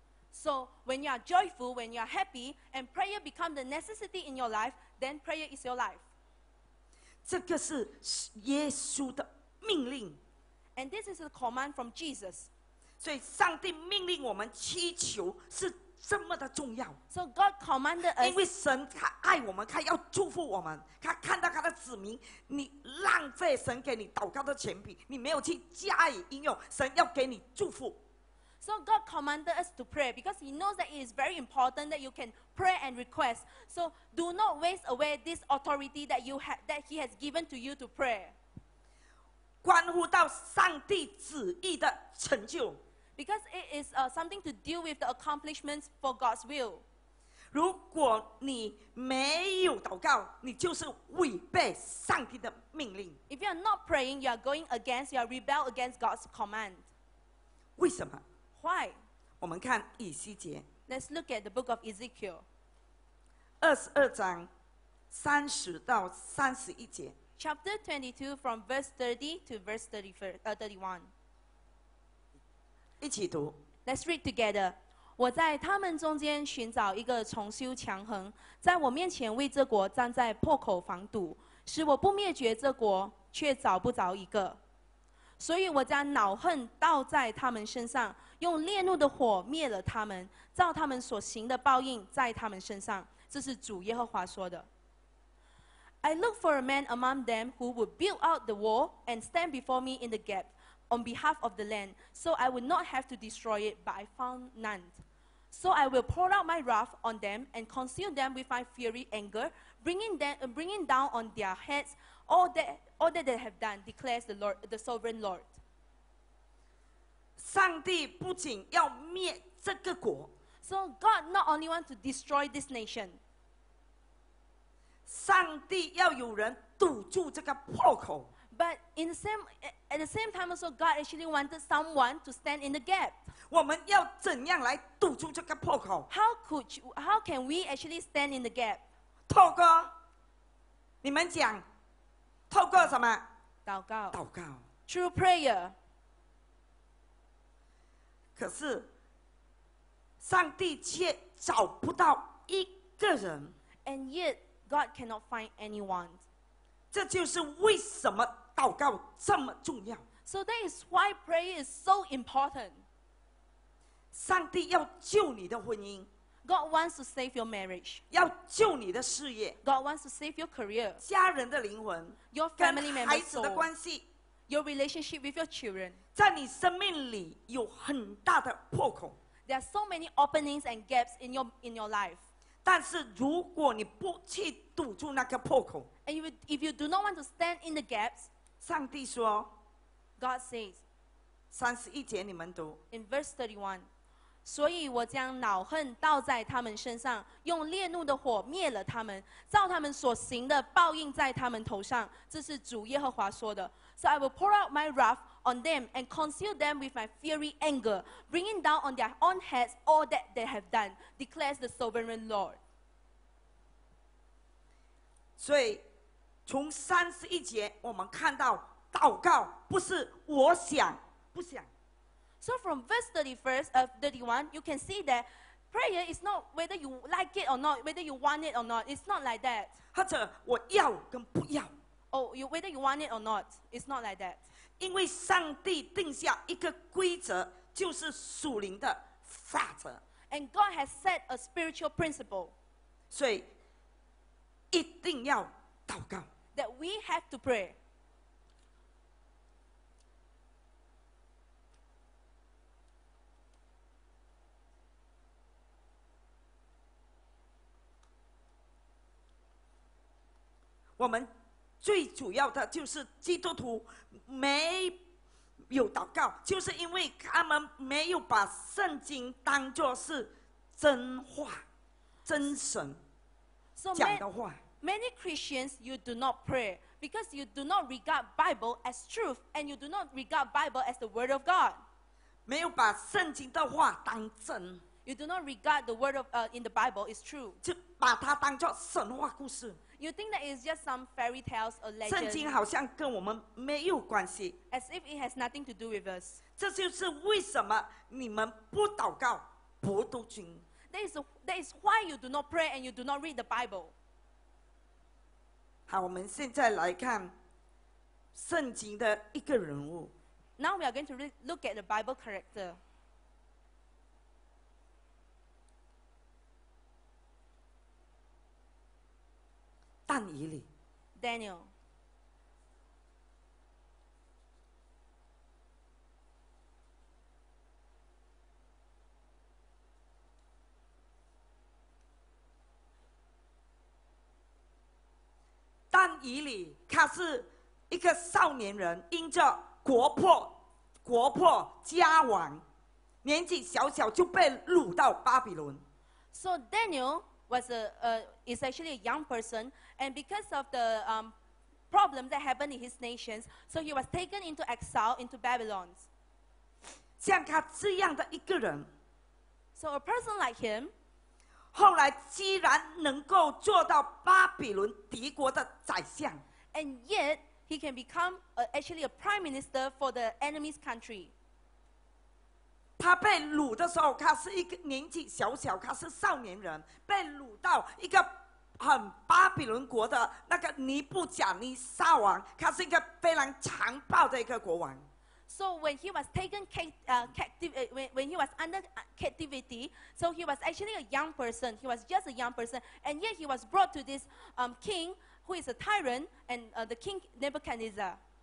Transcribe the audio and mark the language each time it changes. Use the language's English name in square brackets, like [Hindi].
[English] So when you are joyful, when you are happy, and prayer becomes the necessity in your life, then prayer is your life. [Chinese] 这个是耶稣的命令。 [English] And this is a command from Jesus. [Chinese] 所以上帝命令我们祈求是这么的重要。 [English] So God commanded us. [Chinese] 因为神他爱我们，他要祝福我们。他看到他的子民，你浪费神给你祷告的权柄，你没有去加以应用，神要给你祝福。 [English] So God commanded us to pray because He knows that it is very important that you can pray and request. So do not waste away this authority that you have, that He has given to you to pray. [Chinese] 关乎到上帝旨意的成就。 [English] Because it is something to deal with the accomplishments for God's will. [Chinese] 如果你没有祷告，你就是违背上帝的命令。 [English] If you are not praying, you are going against, you are rebel against God's command. [Chinese] 为什么 [English] ？Why？ [Chinese] 我们看以西结。 [English] Let's look at the book of Ezekiel. 22:30-31. Chapter 22 from verse 30 to verse 31. [Chinese] 一起读。 [English] Let's read together. [Chinese] 我在他们中间寻找一个重修墙痕，在我面前为这国站在破口防堵，使我不灭绝这国，却找不着一个。所以我将恼恨倒在他们身上，用烈怒的火灭了他们，照他们所行的报应在他们身上。这是主耶和华说的。 [English] I look for a man among them who would build out the wall and stand before me in the gap. On behalf of the land, so I would not have to destroy it, but I found none. So I will pour out my wrath on them and consume them with my fury anger, bringing down on their heads all that they have done, declares the Lord, the sovereign Lord. [Chinese] 上帝不仅要灭这个国， [English] so God not only wants to destroy this nation. [Chinese] 上帝要有人堵住这个破口。 [English] But in the same, at the same time also, God actually wanted someone to stand in the gap. [Chinese] 我们要怎样来堵住这个破口？ [English] How can we actually stand in the gap? [Chinese] 透过，你们讲，透过什么？祷告。祷告。 [English] Through prayer. [Chinese] 可是，上帝却找不到一个人。 [English] And yet, God cannot find anyone. [Chinese] 这就是为什么祷告这么重要。 [English] So that is why prayer is so important. [Chinese] 上帝要救你的婚姻。 [English] God wants to save your marriage. [Chinese] 要救你的事业。 [English] God wants to save your career. [Chinese] 家人的灵魂。 [English] Your family members. [Chinese] 跟孩子的关系。 [English] Your relationship with your children. [Chinese] 在你生命里有很大的破口。 [English] There are so many openings and gaps in your life. [Chinese] 但是如果你不去堵住那个破口， [English] And if you do not want to stand in the gaps, [Chinese] 上帝说， [English] God says, [Chinese] 31节你们读， [English] In verse 31, [Chinese] 所以我将恼恨倒在他们身上，用烈怒的火灭了他们，照他们所行的报应在他们头上。这是主耶和华说的。 [English] So I will pour out my wrath on them and conceal them with my fury anger, bringing down on their own heads all that they have done, declares the sovereign Lord. [Chinese] 所以从三十一节我们看到祷告不是我想不想。 [English] So from verse 31, you can see that prayer is not whether you like it or not, whether you want it or not. It's not like that. [Chinese] 或者我要跟不要。 [English] Whether you want it or not, it's not like that. [Chinese] 因为上帝定下一个规则，就是属灵的法则。 [English] And God has set a spiritual principle. [Chinese] 所以一定要祷告。 [English] That we have to pray. [Chinese] 我们最主要的就是基督徒没有祷告，就是因为他们没有把圣经当作是真话、真神讲的话。 [English] So many Christians, you do not pray because you do not regard Bible as truth, and you do not regard Bible as the Word of God. [Chinese] 没有把圣经的话当真。 [English] You do not regard the Word of in the Bible is true. [Chinese] 就把它当作神话故事。 [English] You think that it's just some fairy tales or legend? [Chinese] 圣经好像跟我们没有关系。 [English] As if it has nothing to do with us. [Chinese] 这就是为什么你们不祷告、不读经。 [English] That is why you do not pray and you do not read the Bible. [Chinese] 好，我们现在来看圣经的一个人物。 [English] Now we are going to look at the Bible character. [Chinese] 但以理 [English] Daniel. [Chinese] 但以理他是一个少年人，因着国破家亡，年纪小小就被掳到巴比伦。 [English] So Daniel, is actually a young person, and because of the problem that happened in his nations, so he was taken into exile into Babylon. [Chinese] 像他这样的一个人 [English] ，so a person like him， [Chinese] 后来居然能够做到巴比伦帝国的宰相 [English] ，and yet he can become actually a prime minister for the enemy's country。 [Chinese] 他被掳的时候，他是一个年纪小小，他是少年人，被掳到一个很巴比伦国的那个尼布甲尼撒王，他是一个非常残暴的一个国王。 [English] So when he was taken captive, when he was under captivity, so he was actually a young person. He was just a young person, and yet he was brought to this king who is a tyrant, and the king Nebuchadnezzar.